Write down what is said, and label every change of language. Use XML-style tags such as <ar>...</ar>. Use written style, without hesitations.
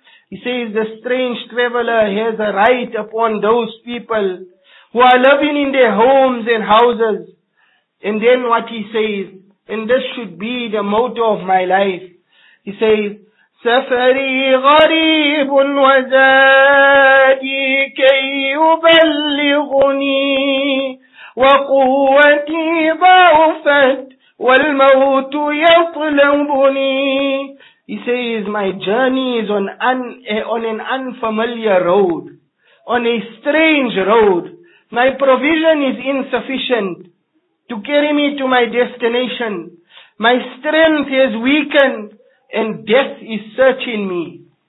<en>He says, the strange traveler has a right upon those people who are living in their homes and houses. And then what he says, and this should be the motto of my life, he says,</en> <ar>سفري غريب وزادي كي يبلغني وقوتي ضعفت والموت يطلبني.</ar> <en>He says, my journey is on an unfamiliar road, on a strange road. My provision is insufficient to carry me to my destination. My strength has weakened and death is searching me.</en>